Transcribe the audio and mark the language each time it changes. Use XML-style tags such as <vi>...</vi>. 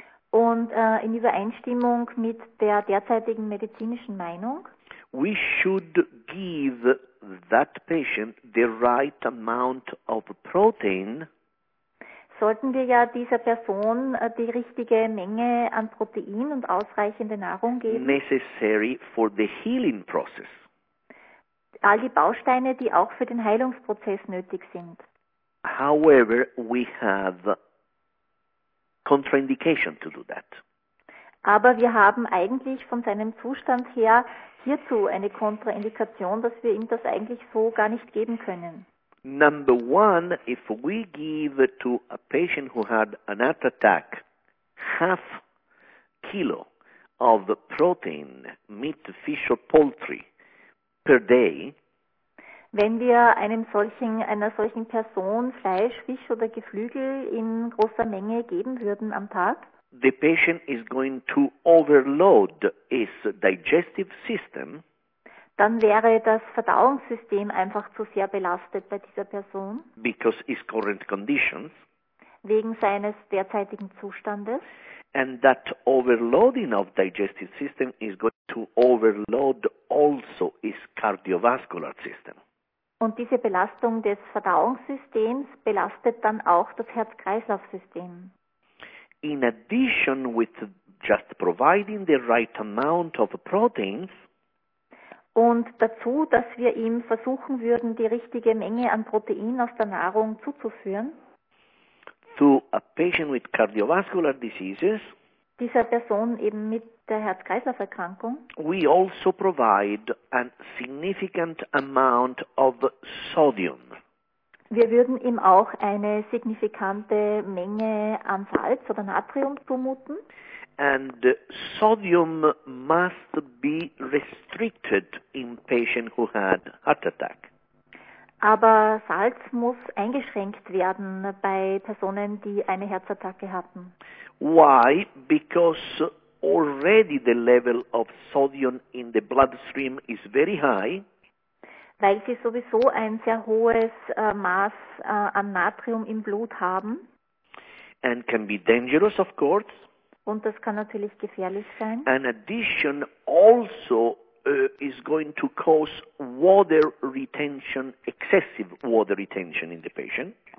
<de>Und in Übereinstimmung mit der derzeitigen medizinischen Meinung.</de> <en>We should give that patient the right amount of protein.</en> <de>Sollten wir ja dieser Person die richtige Menge an Protein und ausreichende Nahrung geben.</de> <en>Necessary for the healing process.</en> <de>All die Bausteine, die auch für den Heilungsprozess nötig sind.</de> <en>However, we have contraindication to do that.</en> <de>Aber wir haben eigentlich von seinem Zustand her hierzu eine Kontraindikation, dass wir ihm das eigentlich so gar nicht geben können.</de> <en>Number one, if we give to a patient who had an heart attack half kilo of protein, meat, fish or poultry per day.</en> <de>Wenn wir einer solchen Person Fleisch, Fisch oder Geflügel in großer Menge geben würden am Tag.</de> <en>The patient is going to overload his digestive system.</en> <de>Dann wäre das Verdauungssystem einfach zu sehr belastet bei dieser Person.</de> <en>Because his current conditions.</en> <de>Wegen seines derzeitigen Zustandes.</de> <en>And that overloading of digestive system is going to overload also his cardiovascular system.</en> <de>Und diese Belastung des Verdauungssystems belastet dann auch das Herz-Kreislauf-System.</de> <en>In addition with just providing the right amount of proteins,</en> <de>und dazu, dass wir ihm versuchen würden, die richtige Menge an Protein aus der Nahrung zuzuführen,</de> <en>to a patient with cardiovascular diseases,</en> <de>dieser Person eben mit der Herz-Kreislauf-Erkrankung,</de> <en>we also provide a significant amount of sodium.</en> <de>Wir würden ihm auch eine signifikante Menge an Salz oder Natrium zumuten.</de> <en>And sodium must be restricted in patient who had heart attack.</en> <de>Aber Salz muss eingeschränkt werden bei Personen, die eine Herzattacke hatten.</de> <en>Why? Because already the level of sodium in the bloodstream is very high.</en> <de>Weil sie sowieso ein sehr hohes Maß an Natrium im Blut haben.</de> <en>And can be dangerous, of course.</en> <de>Und das kann natürlich gefährlich sein.</de> <en>An addition also is going to cause water retention, excessive water retention in the patient.</en>